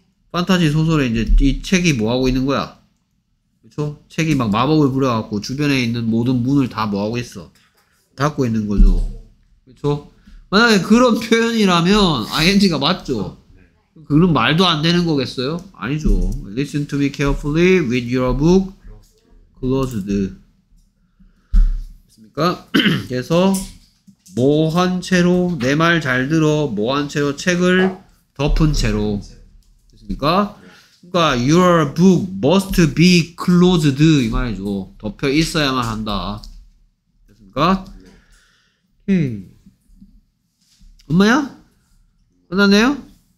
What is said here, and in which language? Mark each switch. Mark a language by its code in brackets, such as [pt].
[ko] 판타지 소설에 이제 이 책이 뭐 하고 있는 거야? 그렇죠? 책이 막 마법을 부려갖고 주변에 있는 모든 문을 다 뭐 하고 있어? 닫고 있는 거죠. 그렇죠? 만약에 그런 표현이라면 ing가 맞죠? 그건 말도 안 되는 거겠어요? 아니죠. [en] Listen to me carefully with your book closed. [ko] 됐습니까? 그래서 뭐 한 채로 내 말 잘 들어 뭐 한 채로 책을 덮은 채로 됐습니까? 그러니까 [en] your book must be closed [ko] 이 말이죠. 덮여 있어야만 한다. 됐습니까? 오케이. 엄마야? 끝났네요?